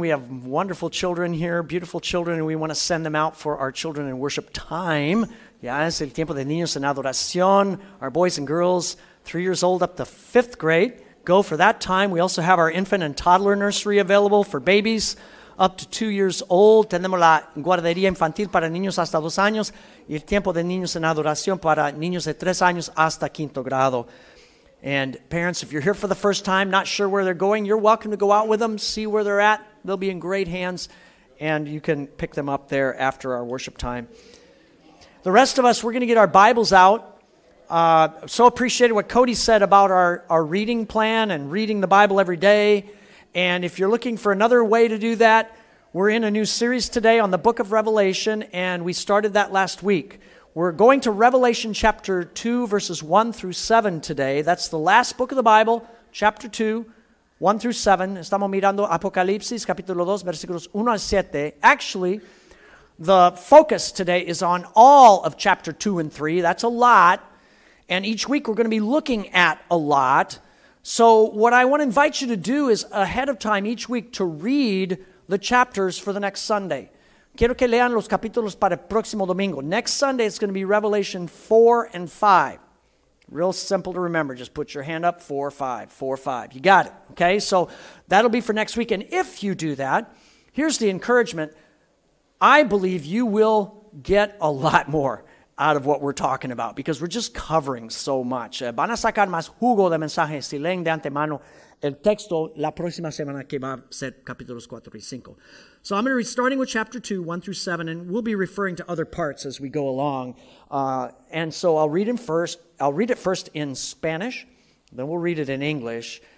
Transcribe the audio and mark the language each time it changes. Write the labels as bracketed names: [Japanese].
[English] We have wonderful children here, beautiful children, and we want to send them out for our children in worship time. [Spanish] Ya es el tiempo de niños en adoración. [English] Our boys and girls, 3 years old up to fifth grade, go for that time. We also have our infant and toddler nursery available for babies up to 2 years old. [Spanish] Tenemos la guardería infantil para niños hasta dos años y el tiempo de niños en adoración para niños de tres años hasta quinto grado. [English] And parents, if you're here for the first time, not sure where they're going, you're welcome to go out with them, see where they're at. They'll be in great hands, and you can pick them up there after our worship time. The rest of us, we're going to get our Bibles out. So appreciated what Cody said about our reading plan and reading the Bible every day. And if you're looking for another way to do that, we're in a new series today on the book of Revelation, and we started that last week. We're going to Revelation chapter 2, verses 1 through 7 today. That's the last book of the Bible, chapter 2, 1 through 7. [Spanish] Estamos mirando Apocalipsis, capítulo 2, versículos 1 al 7. [English] Actually, the focus today is on all of chapter 2 and 3. That's a lot. And each week we're going to be looking at a lot. So what I want to invite you to do is ahead of time each week to read the chapters for the next Sunday. [Spanish] Quiero que lean los capítulos para el próximo domingo. [English] Next Sunday, it's going to be Revelation 4 and 5. Real simple to remember. Just put your hand up, 4, 5, 4, 5. You got it, okay? So that'll be for next week. And if you do that, here's the encouragement. I believe you will get a lot more out of what we're talking about because we're just covering so much. [Spanish] Van a sacar más jugo de mensaje si leen de antemano el texto la próxima semana que va a ser capítulos 4 y 5. [English] So I'm going to be starting with chapter 2, 1 through 7, and we'll be referring to other parts as we go along. And so I'll read it first in Spanish, then we'll read it in English.